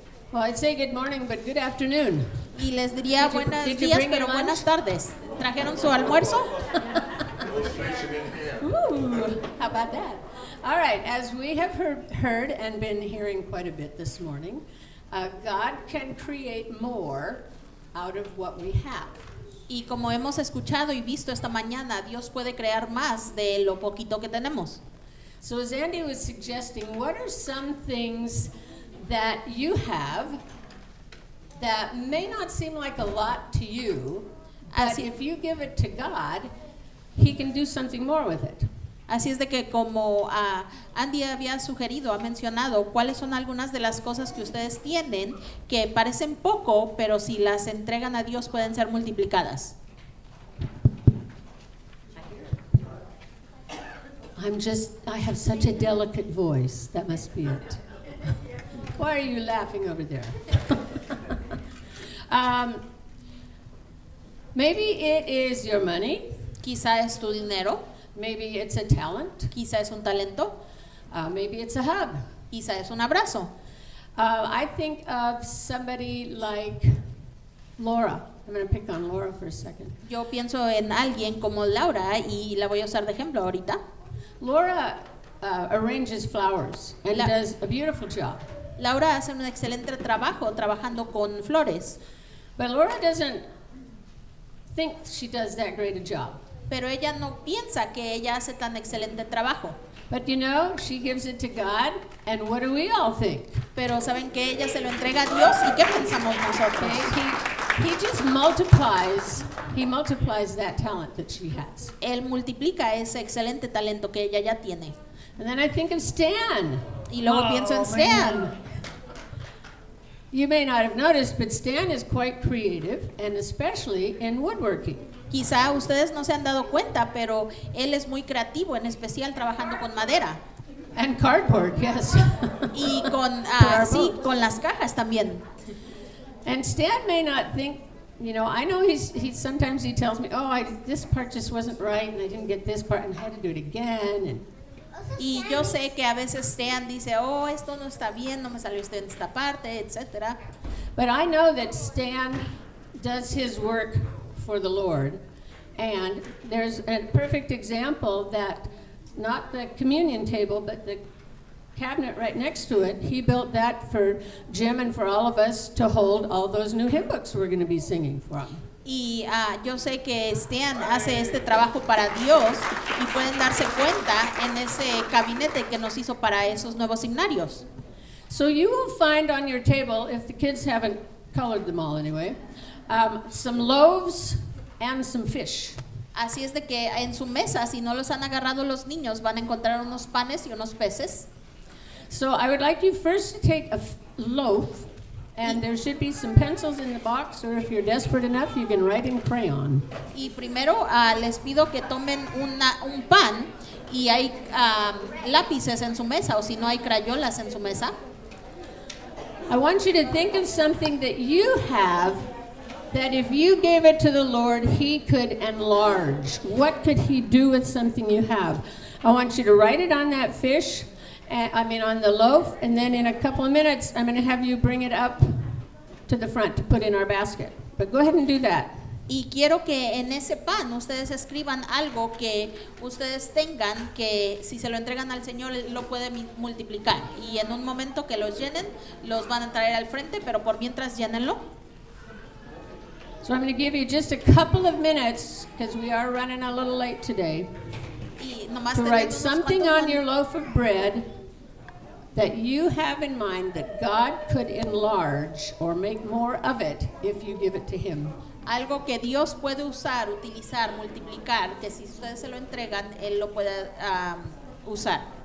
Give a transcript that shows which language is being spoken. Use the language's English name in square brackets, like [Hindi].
[English] Well, I'd say good morning, but good afternoon. [Spanish] Y les diría buenos días, pero buenas tardes. ¿Trajeron su almuerzo? [English] Ooh, how about that? All right, as we have heard and been hearing quite a bit this morning, God can create more out of what we have. [Spanish] Y como hemos escuchado y visto esta mañana, Dios puede crear más de lo poquito que tenemos. [English] So as Andy was suggesting, what are some things that you have that may not seem like a lot to you, but if you give it to God, He can do something more with it. [Spanish] Así es de que como Andy había sugerido, ha mencionado, ¿cuáles son algunas de las cosas que ustedes tienen que parecen poco, pero si las entregan a Dios pueden ser multiplicadas? [English] I have such a delicate voice. That must be it. Why are you laughing over there? Maybe it is your money. [Spanish] Quizá es tu dinero. [English] Maybe it's a talent. [Spanish] Quizá es un talento. [English] Maybe it's a hug. [Spanish] Quizá es un abrazo. [English] I think of somebody like Laura. I'm going to pick on Laura for a second. [Spanish] Yo pienso en alguien como Laura y la voy a usar de ejemplo ahorita. [English] Laura arranges flowers and does a beautiful job. [Spanish] Laura hace un excelente trabajo trabajando con flores. [English] But Laura doesn't think she does that great a job. [Spanish] Pero ella no piensa que ella hace tan excelente trabajo. [English] But you know, she gives it to God, and what do we all think? [Spanish] Pero saben que ella se lo entrega a Dios, ¿y qué pensamos nosotros? [English] Okay, he just multiplies. He multiplies that talent that she has. [Spanish] Él multiplica ese excelente talento que ella ya tiene. [English] And then I think of Stan. [Spanish] Y luego pienso en Stan. [English] You may not have noticed, but Stan is quite creative, and especially in woodworking. [Spanish] Quizá ustedes no se han dado cuenta, pero él es muy creativo, en especial trabajando con madera. [English] And cardboard, yes. [Spanish] Y con, sí, con las cajas también. [English] And Stan may not think, you know, I know he sometimes he tells me, oh, this part just wasn't right, and I didn't get this part, and I had to do it again. And [Spanish] y yo sé que a veces Stan dice, oh, esto no está bien, no me salió esto en esta parte, etc. [English] But I know that Stan does his work for the Lord, and there's a perfect example that not the communion table, but the cabinet right next to it, he built that for Jim and for all of us to hold all those new hymn books we're going to be singing from. [Spanish] Y yo sé que Stan hace este trabajo para Dios y pueden darse cuenta en ese gabinete que nos hizo para esos nuevos himnarios. [English] So you will find on your table, if the kids haven't colored them all anyway, some loaves and some fish. [Spanish] Así es de que en su mesa, si no los han agarrado los niños, van a encontrar unos panes y unos peces. [English] So I would like you first to take a loaf. And there should be some pencils in the box, or if you're desperate enough, you can write in crayon. [Spanish] Y primero les pido que tomen un pan, y hay lápices en su mesa, o si no hay crayolas en su mesa. [English] I want you to think of something that you have that if you gave it to the Lord, He could enlarge. What could He do with something you have? I want you to write it on that fish. I mean on the loaf, and then in a couple of minutes I'm going to have you bring it up to the front to put in our basket. But go ahead and do that. [Spanish] Y quiero que en ese pan ustedes escriban algo que ustedes tengan que si se lo entregan al Señor lo puede multiplicar. Y en un momento que los llenen, los van a traer al frente, pero por mientras llénenlo. [English] So I'm going to give you just a couple of minutes because we are running a little late today. To write something on your loaf of bread that you have in mind that God could enlarge or make more of it if you give it to Him. [Spanish] Algo que Dios puede usar, utilizar, multiplicar, que si ustedes se lo entregan, Él lo puede usar.